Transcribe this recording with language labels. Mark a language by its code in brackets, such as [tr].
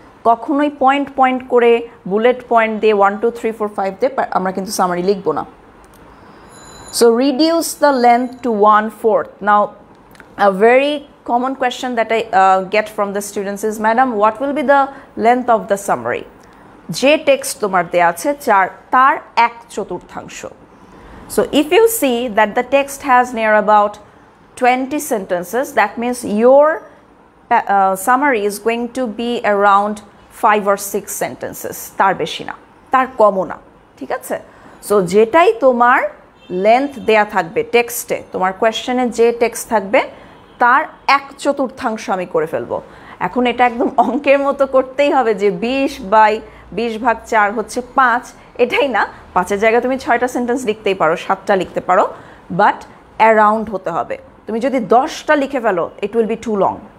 [bn] কখনোই point point করে bullet point দিয়ে 1, 2, 3, 4, 5 দিয়ে আমরা কিন্তু সামারি লিখব না। [en] So reduce the length to 1/4। Now a very common question that I get from the students is, madam, what will be the length of the summary? [bn] Je text tomar deya ache char tar ek chaturthangsho. [en] So if you see that the text has near about 20 sentences, that means your summary is going to be around 5 or 6 sentences, [bn] tar beshi na, tar kom o na, thik ache. So jetai tomar length deya thakbe text e, tomar question e je text thakbe তার এক চতুর্থাংশ আমি করে ফেলবো। এখন এটা একদম অঙ্কের মতো করতেই হবে, যে 20/4 হচ্ছে 5, এটাই না, 5-এর জায়গায় তুমি 6টা সেন্টেন্স লিখতেই পারো, 7টা লিখতে পারো, বাট অ্যারাউন্ড হতে হবে। তুমি যদি 10টা লিখে ফেলো, [en] It will be too long.